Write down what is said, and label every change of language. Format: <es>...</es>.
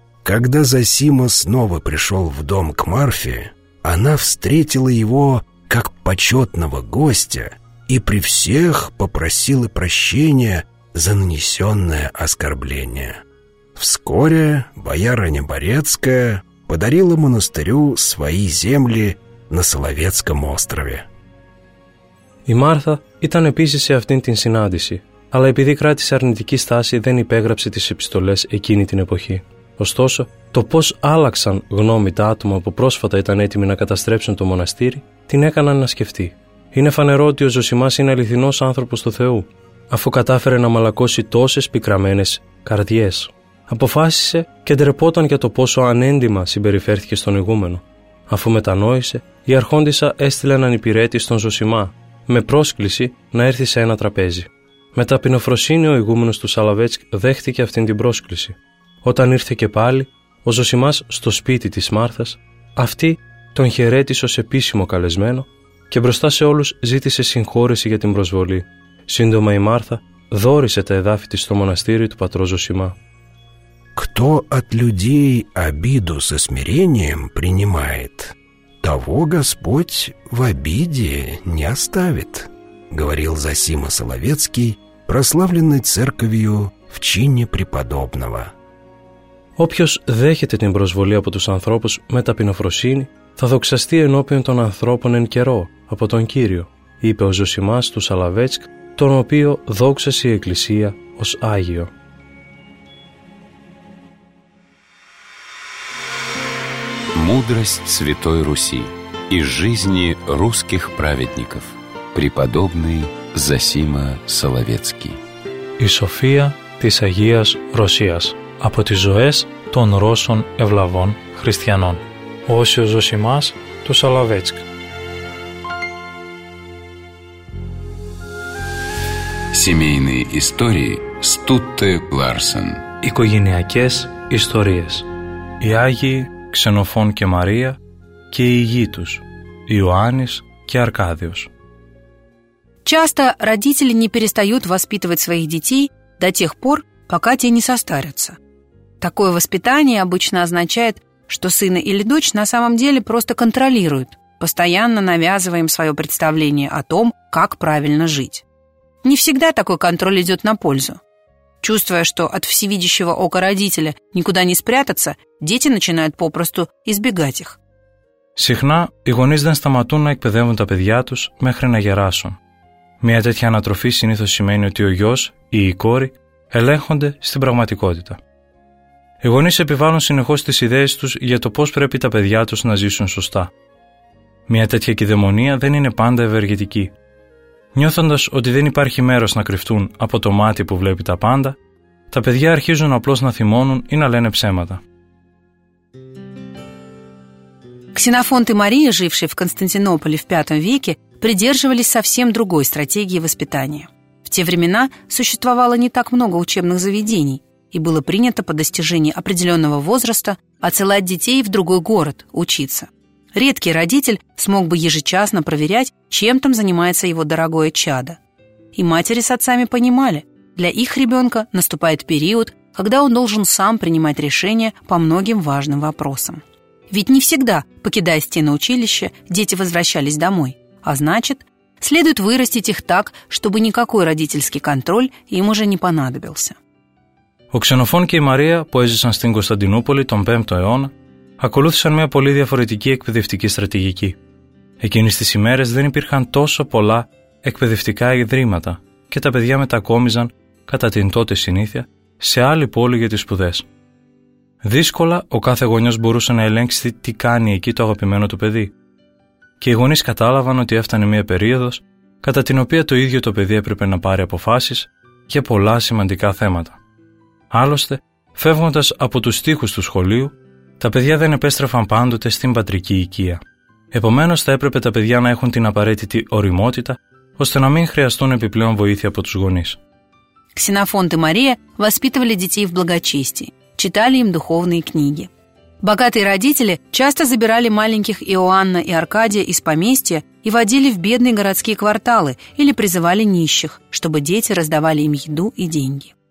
<ru>Когда Зосима снова пришел в дом к Марфе, она встретила его как почетного гостя и при всех попросила прощения за нанесенное оскорбление. Вскоре боярыня Борецкая подарила монастырю свои земли на Соловецком острове.</ru> <el>Η Μάρθα ήταν επίσης σε αυτήν την συνάντηση, αλλά επειδή κράτησε αρνητική στάση δεν υπέγραψε τις επιστολές εκείνη την εποχή. Ωστόσο, το πώς άλλαξαν γνώμη τα άτομα που πρόσφατα ήταν έτοιμοι να καταστρέψουν το μοναστήρι, την έκαναν να σκεφτεί. Είναι φανερό ότι ο Ζωσιμάς είναι αληθινός άνθρωπος του Θεού, αφού κατάφερε να μαλακώσει τόσες πικραμένες καρδιές. Αποφάσισε και ντρεπόταν για το πόσο ανέντιμα συμπεριφέρθηκε στον ηγούμενο. Αφού μετανόησε, η αρχόντισσα έστειλε έναν υπηρέτη στον Ζωσιμά, με πρόσκληση να έρθει σε ένα τραπέζι. Με ταπεινοφροσύνη ο ηγούμενος του Σαλαβέτσκ δέχτηκε αυτήν την πρόσκληση. Όταν ήρθε και πάλι, ο Ζωσιμάς στο σπίτι της Μάρθας, αυτή τον χαιρέτησε ως επίσημο καλεσμένο και μπροστά σε όλους ζήτησε συγχώρεση για την προσβολή. Σύντομα η Μάρθα δώρισε τα εδάφη της στο μοναστήρι του πατρός Ζωσιμά.</el> <ru>«Кто от людей обиду со смирением принимает, того Господь в обиде не оставит», говорил Зосима Соловецкий, прославленный церковью в чине преподобного.</ru> <el>Όποιος δέχεται την προσβολή από τους ανθρώπους με ταπεινοφροσύνη θα δοξαστεί ενώπιον των ανθρώπων εν καιρό από τον Κύριο, είπε ο Ζωσιμάς του Σαλαβέτσκ, τον οποίο δόξασε η Εκκλησία ως Άγιο.</el> <ru>Мудрость Святой Руси из жизни русских праведников. Преподобный Зосима Соловецкий.</ru> <el>И София της Агίας Ρωσίας. Από τις ζωές των Ρώσων ευλαβών χριστιανών. Όσιος Ζωσιμάς του Σαλαβέτσκ.</el> <ru>Семейные истории Стутте Ларсен.</ru> <el>Οικογενειακές ιστορίες. Οι Άγιοι Ξενοφών και Μαρία και οι γιοι τους, Ιωάννης και Αρκάδιος.</el> <ru>Часто родители не перестают воспитывать своих детей до тех пор, пока те не состарятся. Такое воспитание обычно означает, что сына или дочь на самом деле просто контролируют, постоянно навязывая им свое представление о том, как правильно жить. Не всегда такой контроль идет на пользу. Чувствуя, что от всевидящего ока родителя никуда не спрятаться, дети начинают попросту избегать их.</ru> <el>Συχνά οι γονείς δεν σταματούν να εκπαιδεύουν τα παιδιά τους μέχρι να γεράσουν. Μια τέτοια ανατροφή συνήθως σημαίνει ότι ο γιος ή η κόρη ελέγχονται στην πραγματικότητα. Οι γονείς επιβάλλουν συνεχώς τις ιδέες τους για το πώς πρέπει τα παιδιά τους να ζήσουν σωστά. Μια τέτοια κηδεμονία δεν είναι πάντα ευεργετική. Νιώθοντας ότι δεν υπάρχει μέρος να κρυφτούν από το μάτι που βλέπει τα πάντα, τα παιδιά αρχίζουν απλώς να θυμώνουν ή να λένε ψέματα.</el> <ru>Ξενοφόντι Μαρία, ζήτησε в Константинополе в V веке, придерживались совсем другой стратегии воспитания. В те времена существовало не так много учебных заведений, и было принято по достижении определенного возраста отсылать детей в другой город учиться. Редкий родитель смог бы ежечасно проверять, чем там занимается его дорогое чадо. И матери с отцами понимали, для их ребенка наступает период, когда он должен сам принимать решения по многим важным вопросам. Ведь не всегда, покидая стены училища, дети возвращались домой. А значит, следует вырастить их так, чтобы никакой родительский контроль им уже не понадобился.</ru> <el>Ο Ξενοφών και η Μαρία που έζησαν στην Κωνσταντινούπολη τον 5ο αιώνα ακολούθησαν μια πολύ διαφορετική εκπαιδευτική στρατηγική. Εκείνες τις ημέρες δεν υπήρχαν τόσο πολλά εκπαιδευτικά ιδρύματα και τα παιδιά μετακόμιζαν, κατά την τότε συνήθεια, σε άλλη πόλη για τις σπουδές. Δύσκολα ο κάθε γονιός μπορούσε να ελέγξει τι κάνει εκεί το αγαπημένο του παιδί. Και οι γονείς κατάλαβαν ότι έφτανε μια περίοδος κατά την οποία το ίδιο το παιδί έπρεπε να πάρει αποφάσεις για πολλά σημαντικά θέματα. Άλλωστε, φεύγοντας από τους τοίχους του σχολείου, τα παιδιά δεν επέστρεφαν πάντοτε στην πατρική οικία. Επομένως, θα έπρεπε τα παιδιά να έχουν την απαραίτητη ωριμότητα, ώστε να μην χρειαστούν επιπλέον βοήθεια από τους γονείς.</el> <ru>Ξενοφόντ и Мария воспитывали детей в благочестии, читали им духовные книги. Богатые родители часто забирали маленьких Иоанна и Аркадия из поместья и водили в бедные городские кварталы или призывали нищих, чтобы дети раздавали им еду и деньги.</ru>